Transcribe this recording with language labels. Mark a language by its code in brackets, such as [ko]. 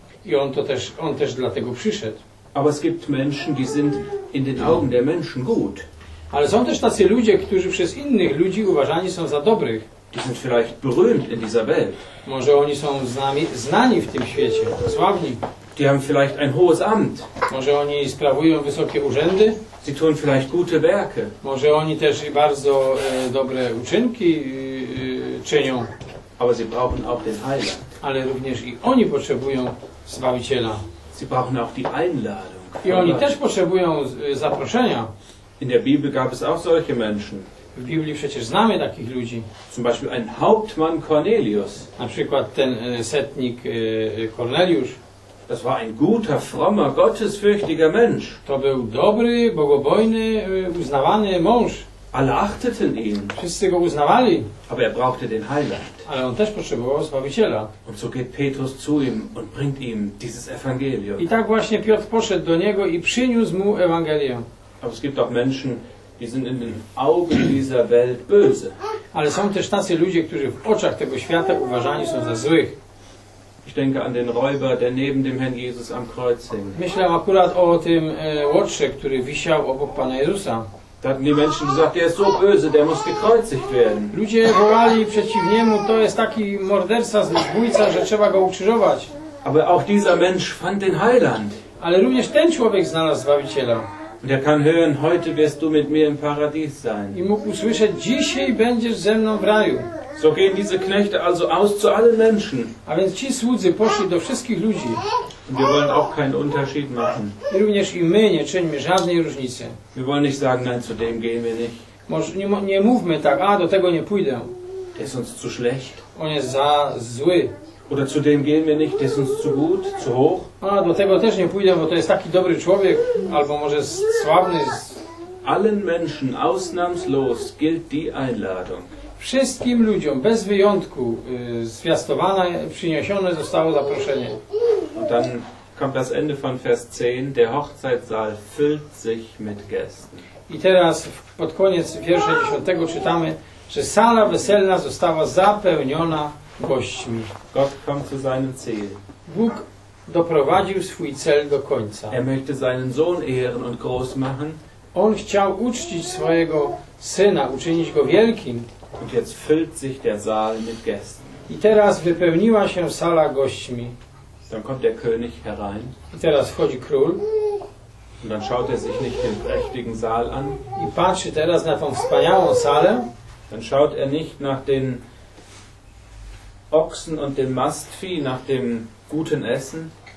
[pl] I on też dlatego przyszedł. [de] Aber es gibt Menschen, die sind in den Augen der Menschen gut. [pl] Ale są też tacy ludzie, którzy przez innych ludzi uważani są za dobrych. [de] Die sind vielleicht berühmt in dieser Welt. [pl] Może oni są znani w tym świecie, sławni. [de] Die haben vielleicht ein hohes Amt. [pl] Może oni sprawują wysokie urzędy. [de] Sie tun vielleicht gute Werke. [pl] Może oni też i bardzo dobre uczynki czynią. [de] Aber sie brauchen auch den Heiland. [pl] Ale również i oni potrzebują Zbawiciela. [de] Sie brauchen auch die Einladung. [pl] I oni też potrzebują zaproszenia. [de] In der Bibel gab es auch solche Menschen. [pl] W Biblii przecież znamy takich ludzi. [de] Zum Beispiel ein Hauptmann Cornelius. [pl] Na przykład ten setnik Korneliusz. [de] Das war ein guter, frommer, gottesfürchtiger Mensch. [pl] To był dobry, bogobojny, uznawany mąż. [de] Alle achteten ihn. [pl] Wszyscy go uznawali. [de] Aber er brauchte den Heiland. [pl] Ale on też potrzebował Zbawiciela. [de] Und so geht Petrus zu ihm und bringt ihm dieses Evangelium. [pl] I tak właśnie Piotr poszedł do niego i przyniósł mu Ewangelię. [de] Aber es gibt auch Menschen, die sind in den Augen dieser Welt böse. [pl] Ale są też tacy ludzie, którzy w oczach tego świata uważani są za złych. [de] Ich denke an den Räuber, der neben dem Herrn Jesus am Kreuz hing. [pl] Myślę akurat o tym łotrze, który wisiał obok Pana Jezusa. [de] Da hatten die Menschen gesagt, der ist so böse, der muss gekreuzigt werden. [pl] Ludzie wołali przeciw niemu, to jest taki morderca, zbójca, że trzeba go ukrzyżować. [de] Aber auch dieser Mensch fand den Heiland. [pl] Ale również ten człowiek znalazł Zbawiciela. [de] Und er kann hören, heute wirst du mit mir im Paradies sein. [pl] I mógł usłyszeć, dzisiaj będziesz ze mną w raju. [de] So gehen diese Knechte also aus zu allen Menschen. [pl] A więc ci słudzy poszli do wszystkich ludzi. [de] Und wir wollen auch keinen Unterschied machen. [pl] I również i my nie czyńmy żadnej różnicy. [de] Wir wollen nicht sagen, nein, zu dem gehen wir nicht. [pl] Nie mówmy tak, do tego nie pójdę. [de] Der ist uns zu schlecht. [pl] On jest za zły. [de] Oder zu dem gehen wir nicht, der ist uns zu gut, zu hoch. [pl] Do tego też nie pójdę, bo to jest taki dobry człowiek, albo może sławny. [de] Allen Menschen ausnahmslos gilt die Einladung. [pl] Wszystkim ludziom, bez wyjątku, zwiastowane, przyniesione zostało zaproszenie. [de] Und dann kommt das Ende von Vers 10. Der Hochzeitssaal füllt sich mit Gästen. [pl] I teraz pod koniec wiersza 10 czytamy, że sala weselna została zapełniona gośćmi. [de] Gott kommt zu seinem Ziel. [pl] Bóg doprowadził swój cel do końca. [de] Er möchte seinen Sohn ehren und groß machen. [pl] On chciał uczcić swojego syna, uczynić go wielkim. [de] Und jetzt füllt sich der Saal mit Gästen. [pl] I teraz wypełniła się sala gośćmi. [de] Dann kommt der König herein. [pl] I teraz wchodzi król. [de] Und dann schaut er sich nicht den prächtigen Saal an. [pl] I patrzy teraz na tą wspaniałą salę. [de] Dann schaut er nicht nach den Ochsen und dem Mastvieh, nach dem guten Essen.